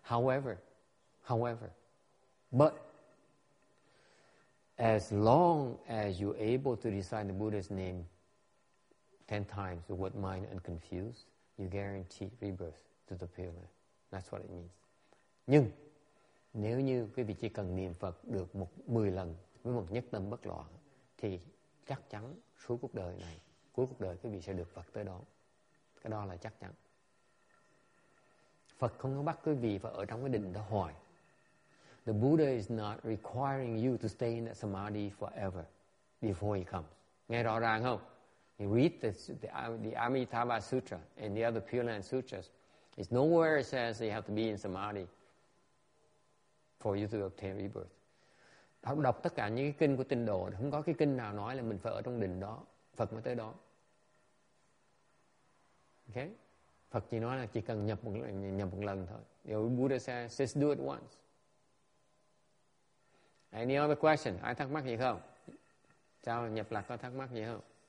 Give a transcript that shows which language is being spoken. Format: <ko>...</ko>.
<en>However, as long as you're able to recite the Buddha's name 10 times with mind unconfused, you guarantee rebirth to the Pure Land. That's what it means.</en> <vi>Nhưng nếu như quý vị chỉ cần niệm Phật được 10 lần với một nhất tâm bất loạn, thì chắc chắn suốt cuộc đời này, cuối cuộc đời quý vị sẽ được Phật tới đó. Cái đó là chắc chắn. Phật không có bắt quý vị phải ở trong cái định đó hoài.</vi> <en>The Buddha is not requiring you to stay in that samadhi forever before he comes.</en> <vi>Nghe rõ ràng không?</vi> <en>You read the Amitabha Sutra and the other Pure Land Sutras. It's nowhere it says you have to be in samadhi for you to obtain rebirth.</en> <vi>Học đọc tất cả những cái kinh của Tịnh Độ, không có cái kinh nào nói là mình phải ở trong đình đó, Phật mới tới đó. Okay? Phật chỉ nói là chỉ cần nhập một lần thôi.</vi> <en>The Buddha says, just do it once. Any other question?</en> <vi>Ai thắc mắc gì không? Sao nhập lạc có thắc mắc gì không?</vi>